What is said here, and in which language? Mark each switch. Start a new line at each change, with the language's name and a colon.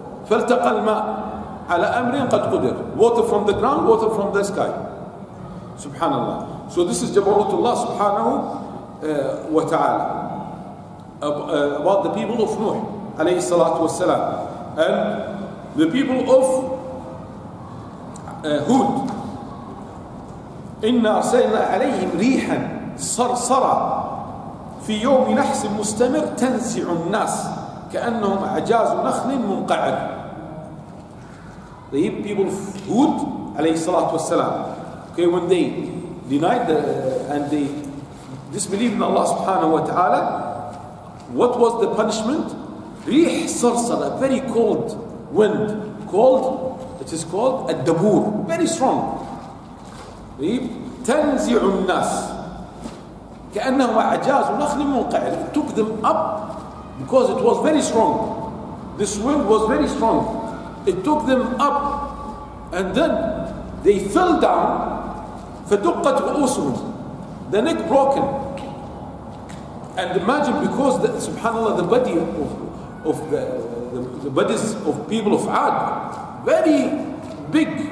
Arabic: فالتقى الماء على أمر قد قدر.
English: Water from the ground, water from the sky.
Arabic: سبحان الله.
English: So this is
Arabic: جبروت الله سبحانه وتعالى.
English: About the people of Nuh
Arabic: عليه الصلاة والسلام.
English: And the people of Hud,
Arabic: إنا أرسلنا عليهم ريحا صرصرا في يوم نحس مستمر تنزع الناس كأنهم أعجاز نخل منقعر.
English: The people of Hud
Arabic: عليه الصلاة والسلام,
English: okay, when they denied and they disbelieved in Allah
Arabic: سبحانه وتعالى,
English: what was the punishment?
Arabic: ريح صرصر,
English: a very cold wind, cold, it is called a dabur, very strong.
Arabic: طيب, تنزع الناس كأنهم أعجاز نخل منقعر.
English: It took them up because it was very strong. This wind was very strong. It took them up and then they fell down.
Arabic: فدقت رؤوسهم,
English: the neck broken. And imagine, because the, subhanAllah, the body of the bodies of people of Ad, very big.